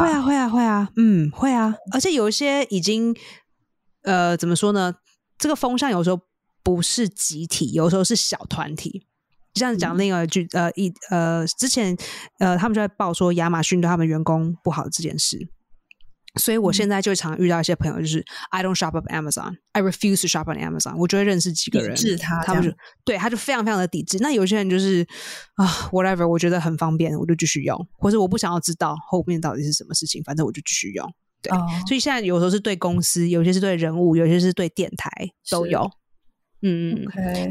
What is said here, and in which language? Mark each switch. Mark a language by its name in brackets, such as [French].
[Chinese] 会啊会啊会啊，嗯，会啊。而且有一些已经怎么说呢，这个风向有时候不是集体，有时候是小团体。像讲另一个句之前他们就在报说亚马逊对他们员工不好的这件事。所以我现在就常遇到一些朋友，就是 [English] I don't shop up Amazon, I refuse to shop on Amazon。 [Chinese] 我就会认识几个人抵制他，他们就对他就非常非常的抵制。那有些人就是whatever, 我觉得很方便我就继续用，或是我不想要知道后面到底是什么事情，反正我就继续用。对、所以现在有时候是对公司，有些是对人物，有些是对电台，都有。 [English] Okay.